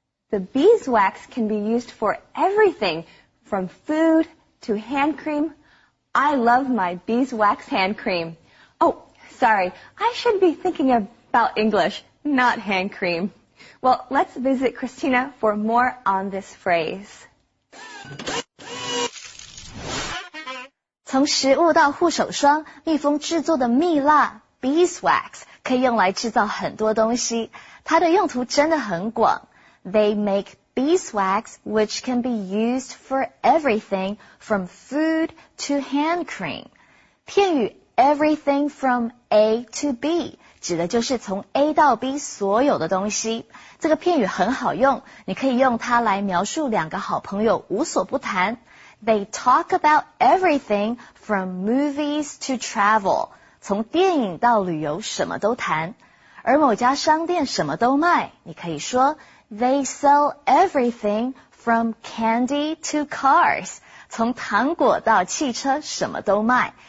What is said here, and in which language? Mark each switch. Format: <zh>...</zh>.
<en>The beeswax can be used for everything, from food to hand cream. I love my beeswax hand cream. Oh, sorry. I should be thinking about English, not hand cream. Well, let's visit Christina for more on this phrase.</en> <zh>从食物到护手霜，蜜蜂制作的蜜蜡 beeswax 可以用来制造很多东西，它的用途真的很广。</zh> <en>They make beeswax, which can be used for everything from food to hand cream.</en> <zh>片语</zh> <en>everything from A to B</en> <zh>指的就是从 A 到 B 所有的东西。这个片语很好用，你可以用它来描述两个好朋友无所不谈。</zh> <en>They talk about everything from movies to travel.</en> <zh>从电影到旅游什么都谈。而某家商店什么都卖，你可以说</zh> <en>They sell everything from candy to cars，</en> <zh>从糖果到汽车什么都卖。</zh>